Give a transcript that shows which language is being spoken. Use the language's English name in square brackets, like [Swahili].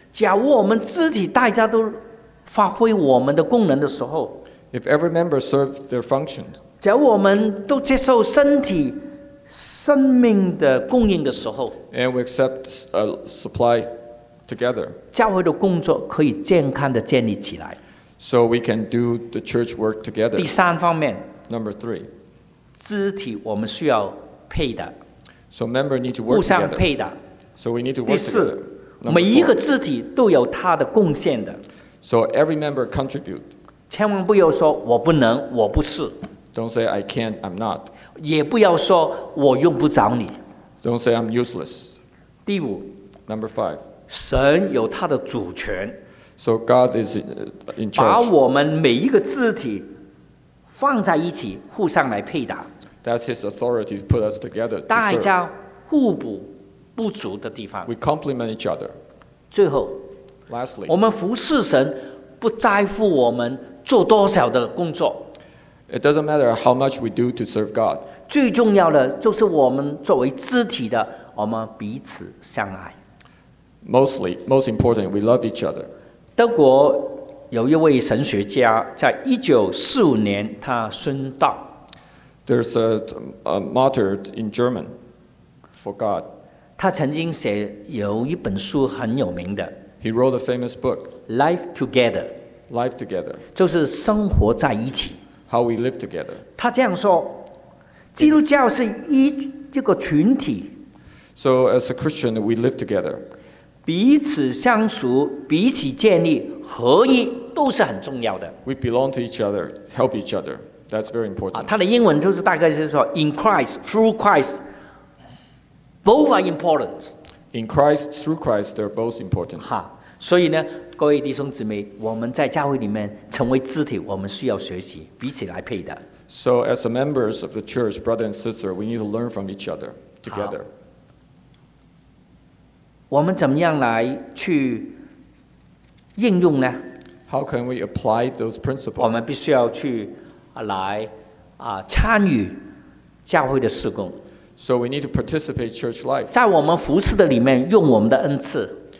[Chinese] 假如我们肢体大家都发挥我们的功能的时候。 [English] If every member serves their function. [Chinese] 假如我们都接受身体生命的供应的时候。 [English] And we accept a supply together. [Chinese] 教会的工作可以健康地建立起来。 [English] So we can do the church work together. [Chinese] 第三方面。 [English] Number three. [Chinese] 肢体我们需要配的。 [English] So member need to work together. [Chinese] 互相配的。 [English] So we need to work together. [Chinese] 第四。每一个肢体都有它的贡献的。 [English] So every member contribute. [Chinese] 千万不要说我不能，我不是。 [English] Don't say I can't, I'm not. [Chinese] 也不要说我用不着你。 [English] Don't say I'm useless. [Chinese] 第五。 [English] Number five. [Chinese] 神有他的主权。 [English] So God is in charge. [Chinese] 把我们每一个肢体放在一起，互相来配搭。 [English] That's His authority to put us together. [Chinese] 大家互补不足的地方。 [English] We complement each other. [Chinese] 最后。 [English] Lastly, [Chinese] 我们服侍神不在乎我们做多少的工作。 [English] It doesn't matter how much we do to serve God. [Chinese] 最重要的就是我们作为肢体的，我们彼此相爱。 [English] Mostly, most important, we love each other. [Chinese] 德国有一位神学家，在1945年他殉道。 [English] There's a martyr in German for God. [Chinese] 他曾经写有一本书很有名的。 [English] He wrote a famous book. Life together. Life together. [Chinese] 就是生活在一起。 [English] How we live together. [Chinese] 他这样说，基督教是一个群体。 [English] So as a Christian, we live together. [Chinese] 彼此相熟，彼此建立，合一都是很重要的。 [English] We belong to each other, help each other. That's very important. [Chinese] 他的英文就是大概是说 ， [English] In Christ, through Christ, both are important. In Christ, through Christ, they're both important. [Chinese] 哈，所以呢，各位弟兄姊妹，我们在教会里面成为肢体，我们需要学习彼此来配的。 [English] So as the members of the church, brother and sister, we need to learn from each other together. [Chinese] 我们怎么样来去应用呢 [English] ？How can we apply those principles? [Chinese] 我们必须要去来参与教会的事工。 [English] So we need to participate in church life. [Chinese] 在我们服侍的里面用我们的恩赐。